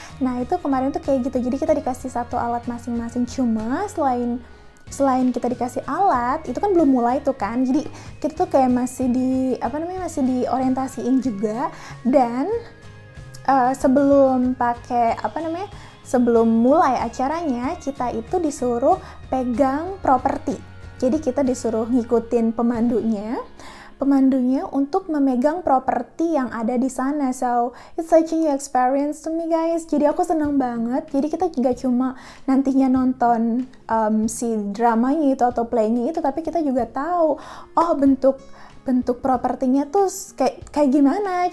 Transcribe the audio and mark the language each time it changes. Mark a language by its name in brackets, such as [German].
[Indonesian] Nah, itu kemarin tuh kayak gitu, jadi kita dikasih satu alat masing-masing, cuma selain kita dikasih alat, itu kan belum mulai tuh kan, jadi kita tuh kayak masih diorientasiin juga. Dan sebelum pakai sebelum mulai acaranya, kita itu disuruh pegang properti. Jadi kita disuruh ngikutin pemandunya untuk memegang properti yang ada di sana. [English] So, it's such a new experience to me, guys. [Indonesian] Jadi aku seneng banget. Jadi kita juga cuma nantinya nonton si dramanya itu atau playnya itu, tapi kita juga tahu, oh, bentuk propertinya tuh kayak gimana.